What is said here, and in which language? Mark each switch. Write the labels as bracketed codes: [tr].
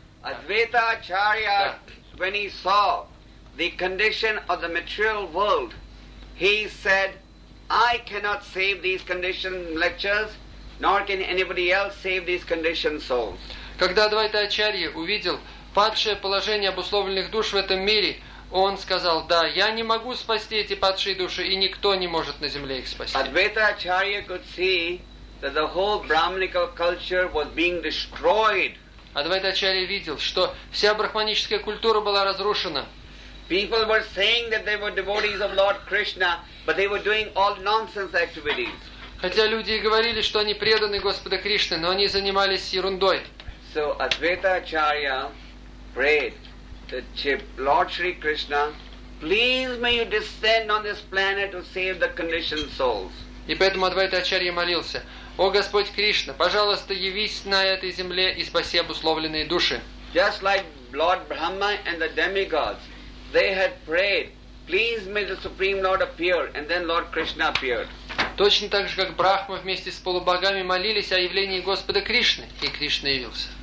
[en] Advaita Acharya, when he saw the condition of the material world, he said, "I cannot save these conditioned lectures, nor can anybody else save these conditioned souls." [ru] Когда Адвайта Ачарья увидел падшее положение обусловленных душ в этом мире, он сказал: «Да, я не могу спасти эти падшие души, и никто не может на земле их спасти». [en] Advaita Acharya could see that the whole Brahmanical culture was being destroyed. [ru] Advaita Acharya видел, что вся брахманическая культура была разрушена. [en] People were saying that they were devotees of Lord Krishna, but they were doing all nonsense activities. [ru] Хотя люди и говорили, что они преданы Господу Кришне, но они занимались ерундой. [en] So Advaita Acharya prayed that Lord Shri Krishna, please may you descend on this planet to save the conditioned souls. [ru] И поэтому Адвайта Ачарья молился: «О Господь Кришна, пожалуйста, явись на этой земле и спаси обусловленные души». [en] Just like Lord Brahma and the demigods, they had prayed, please may the Supreme Lord appear, and then Lord Krishna appeared. [ru] Точно так же, как Брахма вместе с полубогами молились о явлении Господа Кришны, и Кришна явился.